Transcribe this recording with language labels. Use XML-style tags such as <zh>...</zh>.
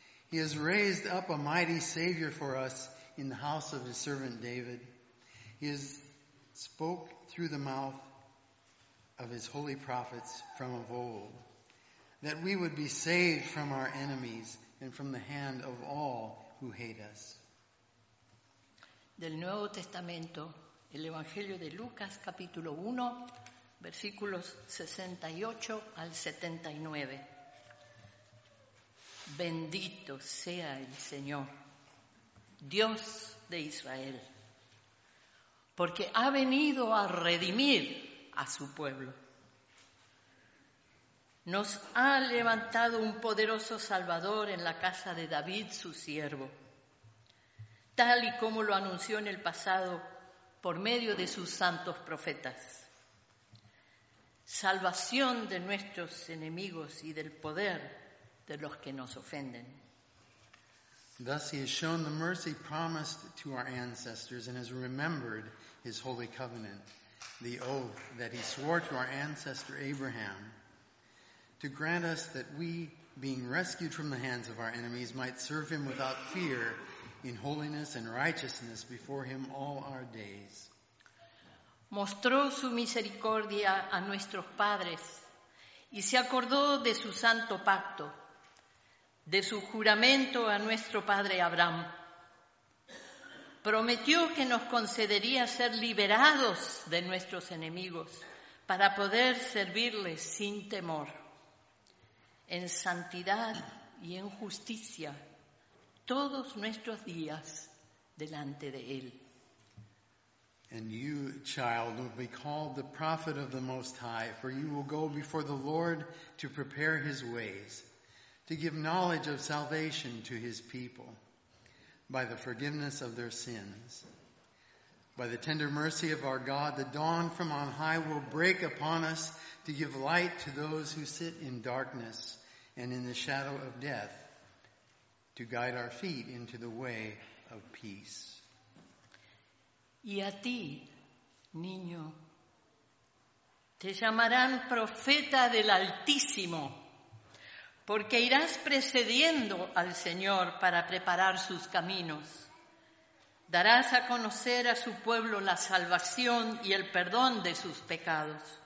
<en>He has raised up a mighty Savior for us in the house of his servant David. He has spoke through the mouth of his holy prophets from of old, that we would be saved from our enemies and from the hand of all who hate us.</en> <es>Del Nuevo Testamento, el Evangelio de Lucas, capítulo 1, versículos 68 al 79. Bendito sea el Señor, Dios de Israel, porque ha venido a redimir a su pueblo. Nos ha levantado un poderoso Salvador en la casa de David, su siervo, tal y como lo anunció en el pasado por medio de sus santos profetas. Salvación de nuestros enemigos y del poder de los que nos ofenden.</es> <en>Thus he has shown the mercy promised to our ancestors and has remembered his holy covenant, the oath that he swore to our ancestor Abraham, to grant us that we, being rescued from the hands of our enemies, might serve him without fear in holiness and righteousness before him all our days.</en> <es>mostró su misericordia a nuestros padres y se acordó de su santo pacto, de su juramento a nuestro padre Abraham. Prometió que nos concedería ser liberados de nuestros enemigos para poder servirles sin temor, en santidad y en justicia, todos nuestros días delante de Él.</es> <en>And you, child, will be called the prophet of the Most High, for you will go before the Lord to prepare His ways, to give knowledge of salvation to His people by the forgiveness of their sins. By the tender mercy of our God, the dawn from on high will break upon us to give light to those who sit in darkness and in the shadow of death, to guide our feet into the way of peace.</en> <es>Y a ti, niño, te llamarán profeta del Altísimo, porque irás precediendo al Señor para preparar sus caminos. Darás a conocer a su pueblo la salvación y el perdón de sus pecados.</es>